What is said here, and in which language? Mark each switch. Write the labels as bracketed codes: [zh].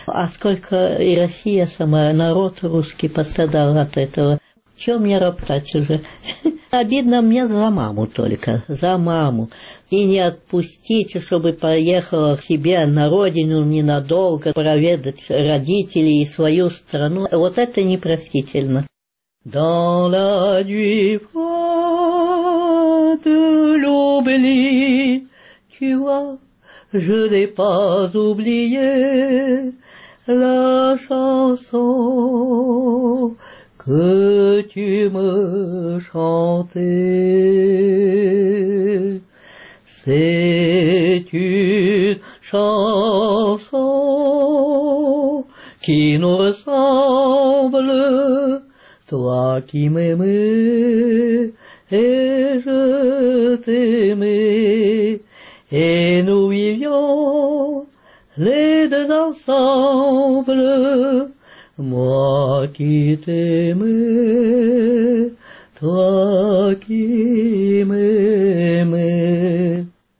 [ru] А сколько и Россия сама, народ русский пострадал от этого. Чего мне роптать уже? Обидно мне за маму только, за маму. И не отпустить, чтобы поехала к себе на родину ненадолго, проведать родителей и свою страну. Вот это непростительно. [fr] Dans la nuit froide de l'oubli, tu vois, je n'ai pas oublié la chanson. Que tu me chantais, c'est une chanson qui nous ressemble, toi qui m'aimais жертвами, и ну ее лида за собра, макитыми, такими.